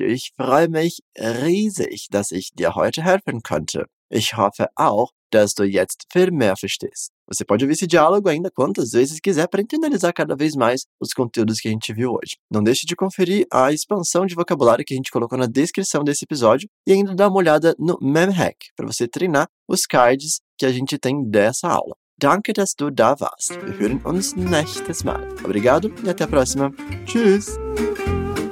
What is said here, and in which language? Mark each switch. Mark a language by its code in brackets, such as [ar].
[de] Ich freue mich riesig, dass ich dir heute helfen konnte. Ich hoffe auch, dass du jetzt viel mehr verstehst. [pt] Você pode ouvir esse diálogo ainda quantas vezes quiser para internalizar cada vez mais os conteúdos que a gente viu hoje. Não deixe de conferir a expansão de vocabulário que a gente colocou na descrição desse episódio e ainda dá uma olhada no MemHack para você treinar os cards que a gente tem dessa aula. [de] Danke, dass du da warst. Wir hören uns nächstes Mal. [pt] Obrigado e até a próxima. [de] Tschüss!